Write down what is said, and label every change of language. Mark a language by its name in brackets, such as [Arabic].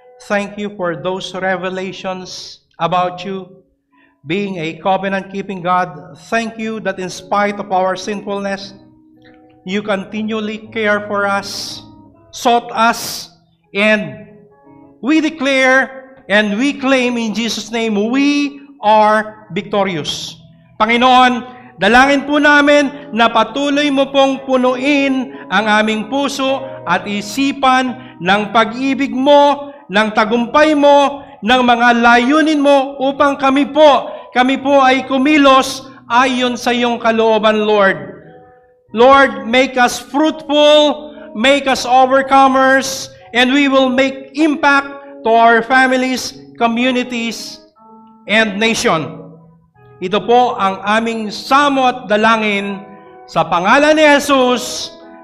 [English] Thank you for those revelations about you being a covenant-keeping God. Thank you that in spite of our sinfulness, you continually care for us, sought us, and we declare and we claim in Jesus' name, we are victorious. [Filipino] Panginoon, dalangin po namin na patuloy mo pong punuin ang aming puso at isipan ng pag-ibig mo, ng tagumpay mo, ng mga layunin mo upang kami po ay kumilos ayon sa iyong kalooban, Lord. [English] Lord, make us fruitful, make us overcomers, and we will make impact to our families, communities, and nation. [Filipino] Ito po ang aming samo at dalangin sa pangalan ni Jesus.